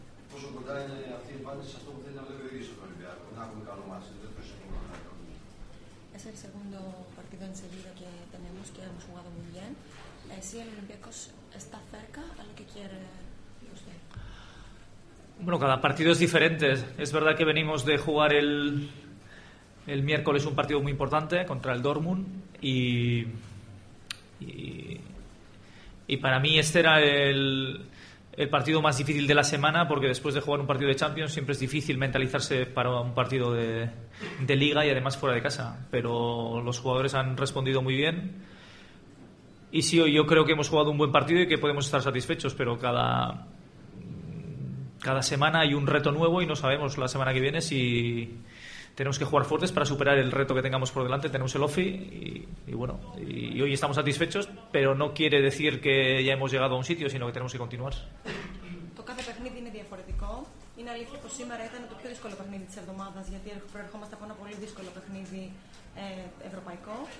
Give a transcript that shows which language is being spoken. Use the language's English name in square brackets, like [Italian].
[Greek] Πόσο κοντά είναι αυτή η εμφάνιση σε αυτό που θέλει να βλέπει ο ίδιος τον Ολυμπιακό, να έχουμε καλό μάτς, δεν το είσαι πολύ. [Spanish] Es el segundo partido en Sevilla que tenemos, que hemos jugado muy bien. ¿Si el Olympiacos está cerca a lo que quiere usted? Bueno, cada partido es diferente. Es verdad que venimos de jugar el miércoles un partido muy importante contra el Dortmund y para mí este era el partido más difícil de la semana, porque después de jugar un partido de Champions siempre es difícil mentalizarse para un partido de Liga y además fuera de casa, pero los jugadores han respondido muy bien y sí, yo creo que hemos jugado un buen partido y que podemos estar satisfechos, pero cada semana hay un reto nuevo y no sabemos la semana que viene si tenemos que jugar fuertes para superar el reto que tengamos por delante. Tenemos el OFI y bueno, y hoy estamos satisfechos, pero no quiere decir que ya hemos llegado a un sitio, sino que tenemos que continuar. [Greek] Το κάθε παιχνίδι είναι διαφορετικό. Είναι αλήθεια πως σήμερα ήταν το πιο δύσκολο παιχνίδι της εβδομάδας, γιατί προερχόμαστε από ένα πολύ δύσκολο παιχνίδι ευρωπαϊκό.